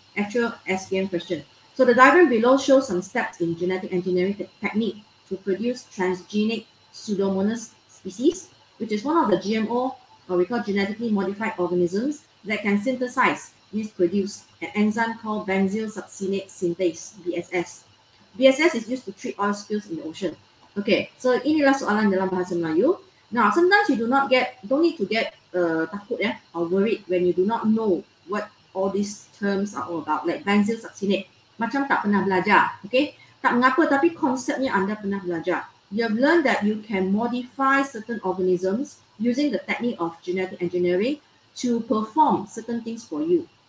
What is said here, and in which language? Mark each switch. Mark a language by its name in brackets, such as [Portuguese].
[English] Actual SPM question. So the diagram below shows some steps in genetic engineering technique to produce transgenic pseudomonas species, which is one of the GMO, or we call genetically modified organisms, that can synthesize, misproduce an enzyme called benzyl succinate synthase, BSS. BSS is used to treat oil spills in the ocean. [Malay] Okay, so inilah soalan dalam bahasa Melayu. [English] Now, sometimes you don't need to get [Malay] takut ya, [English] or worried when you do not know what all these terms are all about, like benzyl succinate. [Malay] Macam tak pernah belajar, okay? Tak mengapa, tapi konsepnya anda pernah belajar. [English] You have learned that you can modify certain organisms using the technique of genetic engineering to perform certain things for you.